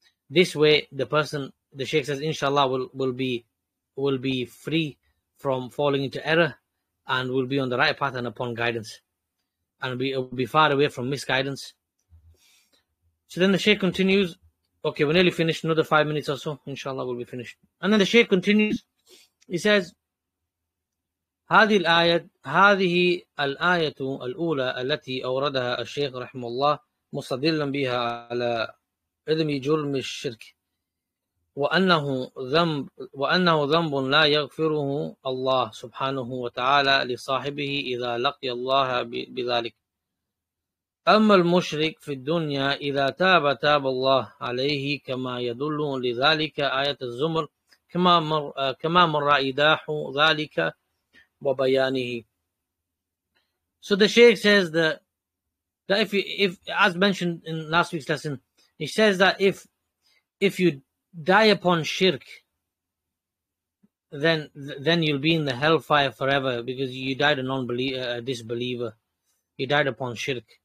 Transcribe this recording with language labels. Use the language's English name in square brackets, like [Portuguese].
[English] This way the person, the Shaykh says, inshallah will be free from falling into error and will be on the right path and upon guidance. and be far away from misguidance. So then the Shaykh continues. Okay, we're nearly finished. Another 5 minutes or so, inshallah, we'll be finished. And then the Shaykh continues. He says, [Arabic] هذه الآية هذه الآية الأولى التي أوردها الشيخ رحمه الله مستدلا بها على إذن جرم الشرك وأنه ذنب لا يغفره الله سبحانه وتعالى لصاحبه إذا لقي الله بذلك أما المشرك في الدنيا إذا تاب تاب الله عليه كما يدل لذلك آية الزمر كما مر إيداح ذلك وبيانه. [English] So the Shaykh says that if as mentioned in last week's lesson, he says that if you die upon shirk, then you'll be in the hellfire forever because you died a disbeliever. You died upon shirk.